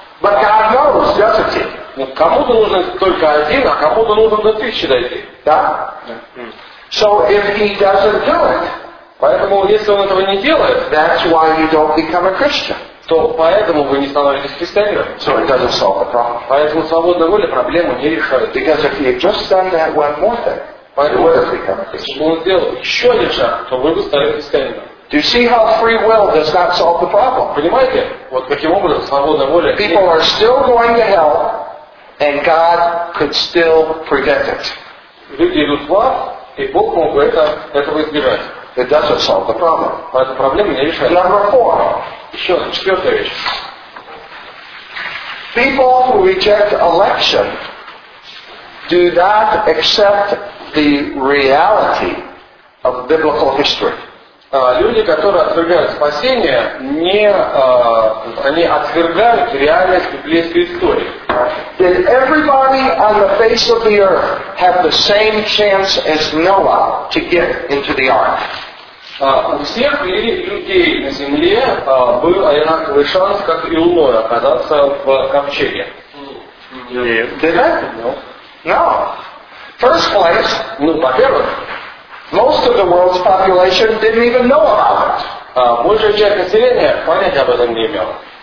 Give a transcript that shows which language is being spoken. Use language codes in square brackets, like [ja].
[en] But God knows, doesn't he? [ru] Кому-то нужно только 1, а кому-то нужно до 1000 дойти. Да? [en] So if he doesn't do it, [ru] поэтому если он этого не делает, [en] that's why you don't become a Christian. [ru] То поэтому вы не становитесь христианином. [en] So it doesn't solve the problem. [ru] Поэтому свободная воля проблему не решает. [en] Because if he had just done that one more thing, [ru] Если бы он сделал еще один шаг, то вы бы стали христианином. [en] Do you see how free will does not solve the problem? [ru] Понимаете? Вот каким образом свободная воля. [en] People are still going to hell, and God could still prevent it. [ru] Люди идут в ад, и Бог мог бы этого избежать. [en] It doesn't solve the problem. [ru] Но эта проблема не решает. [en] Number four. [ru] Еще одна, четвертая вещь. [en] People who reject election do not accept the reality of biblical history. [ru] Люди, которые отвергают спасение, они отвергают реальность библейской истории. [en] Did everybody on the face of the earth have the same chance as Noah to get into the ark? [ru] У всех ли людей на земле был одинаковый шанс, как и у Ноя, оказаться в ковчеге? Нет. [en] Did that? No. No. First place. [ru] Ну, во-первых. [en] Most of the world's population didn't even know about it. [ru] Большая часть населения понятия об этом не имела.